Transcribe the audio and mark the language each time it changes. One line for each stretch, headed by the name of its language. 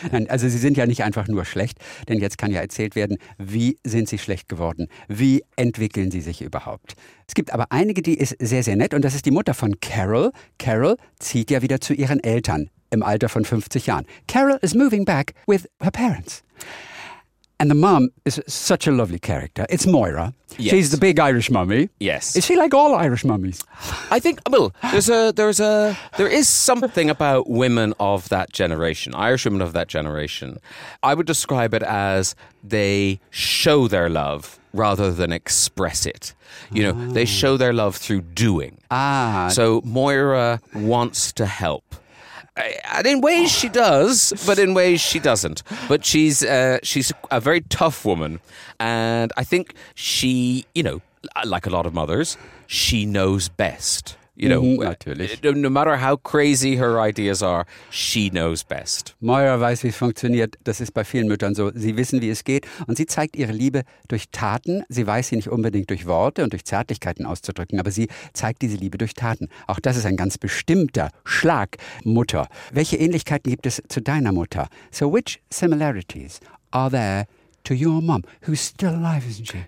German: Nein, also sie sind ja nicht einfach nur schlecht, denn jetzt kann ja erzählt werden, wie sind sie schlecht geworden? Wie entwickeln sie sich überhaupt? Es gibt aber einige, die ist sehr, sehr nett und das ist die Mutter von Carol. Carol zieht ja wieder zu ihren Eltern im Alter von 50 Jahren.
English: Carol is moving back with her parents. And the mom is such a lovely character. It's Moira. Yes. She's the big Irish mummy. Yes. Is she like all Irish mummies? I think, well, there is something about women of that generation, Irish women of that generation. I would describe it as they show their love rather than express it. You know, they show their love through doing. Ah. So Moira wants to help. And in ways she does, but in ways she doesn't. But she's a very tough woman. And I think she, you know, like a lot of mothers, she knows best. You know, no matter how crazy her ideas are, she knows best.
German: Moira weiß, wie es funktioniert. Das ist bei vielen Müttern so. Sie wissen, wie es geht. Und sie zeigt ihre Liebe durch Taten. Sie weiß sie nicht unbedingt durch Worte und durch Zärtlichkeiten auszudrücken, aber sie zeigt diese Liebe durch Taten. Auch das ist ein ganz bestimmter Schlag, Mutter. Welche Ähnlichkeiten gibt es zu deiner Mutter?
English: So which similarities are there to your mom, who's still alive, isn't she?